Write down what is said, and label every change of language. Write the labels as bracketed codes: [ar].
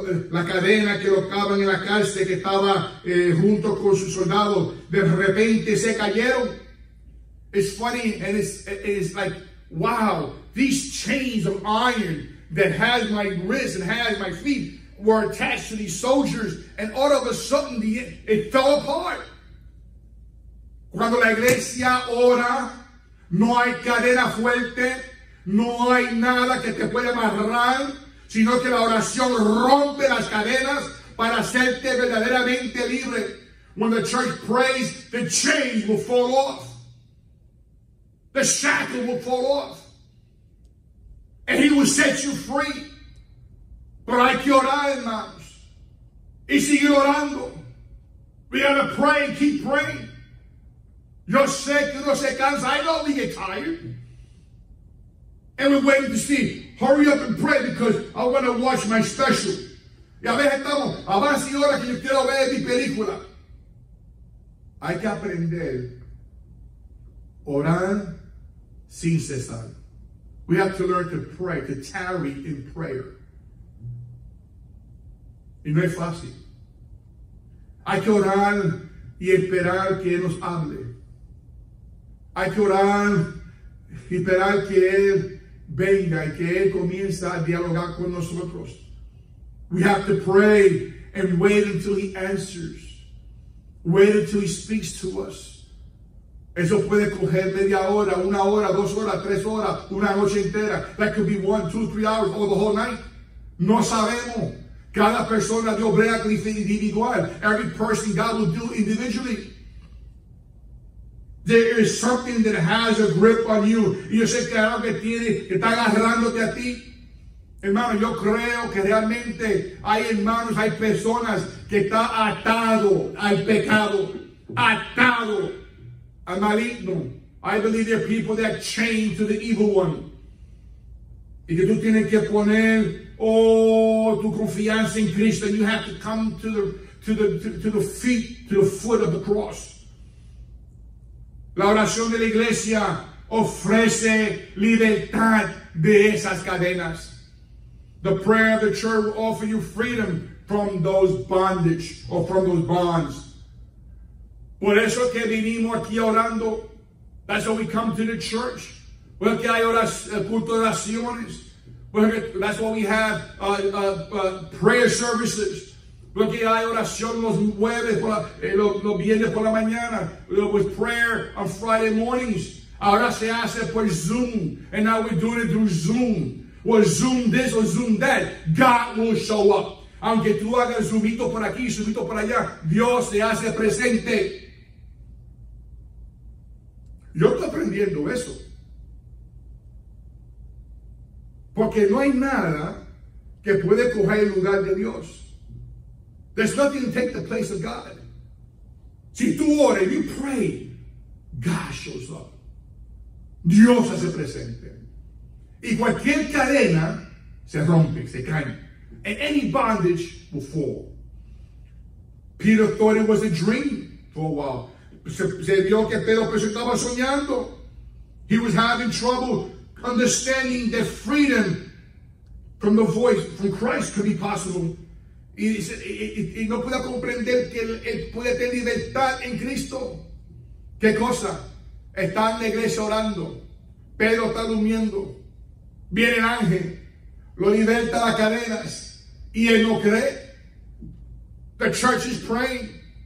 [es] La cadena que lo cavan en la cárcel que estaba junto con sus soldados de repente se cayeron. [en] It's funny and it's like, wow, these chains of iron that had my wrists and had my feet were attached to these soldiers and all of a sudden it fell apart. [es] Cuando la iglesia ora, no hay cadena fuerte, no hay nada que te pueda amarrar, sino que la oración rompe las cadenas para hacerte verdaderamente libre. [en] When the church prays, the chains will fall off. The shackle will fall off. And he will set you free. [es] Pero hay que orar, hermanos. Y seguir orando. [en] We got to pray and keep praying. [es] Yo sé que uno se cansa. [en] I know we get tired. And we're waiting to see. Hurry up and pray because I want to watch my special. [es] Y a veces estamos, avance y ora que yo quiero ver mi película. Hay que aprender orar sin cesar. [en] We have to learn to pray, to tarry in prayer. [es] Y no es fácil. Hay que orar y esperar que Él nos hable. Hay que orar y esperar que Él venga y que Él comienza a dialogar con nosotros. [en] We have to pray and wait until He answers. Wait until He speaks to us. [es] Eso puede coger media hora, una hora, dos horas, tres horas, una noche entera. [en] That could be one, two, three hours, or the whole night. [es] No sabemos. Cada persona Dios vea que individual. [en] Every person God will do individually. There is something that has a grip on you. [es] Y yo sé que algo que tiene, que está agarrándote a ti. Hermano, yo creo que realmente hay hermanos, hay personas que está atado al pecado. Atado al maligno. [en] I believe there are people that are chained to the evil one. [es] Y que tú tienes que poner tu confianza en Cristo. [en] And you have to come to the foot of the cross. [es] La oración de la iglesia ofrece libertad de esas cadenas. [en] The prayer of the church will offer you freedom from those bondage or from those bonds. [es] Por eso que vinimos aquí orando. [en] That's why we come to the church. [es] Por que hay culto de oraciones. [en] That's why we have prayer services. [es] Porque hay oración los jueves, los viernes por la mañana. [en] With prayer on Friday mornings. [es] Ahora se hace por Zoom. [en] And now we're doing it through Zoom. Or Zoom this or Zoom that. God will show up. [es] Aunque tú hagas zoomito por aquí, zoomito por allá, Dios se hace presente. Yo estoy aprendiendo eso. Porque no hay nada que puede coger el lugar de Dios. [en] There's nothing to take the place of God. [es] Si tú oras, [en] you pray, God shows up. [es] Dios hace presente. Y cualquier cadena se rompe, se cae. [en] And any bondage will fall. Peter thought it was a dream for a while. [es] Se vio que Pedro estaba soñando. [en] He was having trouble understanding the freedom from the voice, from Christ could be possible. [es] Y dice, y no puede comprender que él puede tener libertad en Cristo. ¿Qué cosa? Está en la iglesia orando. Pedro está durmiendo. Viene el ángel. Lo liberta las cadenas. Y él no cree. [en] The church is praying.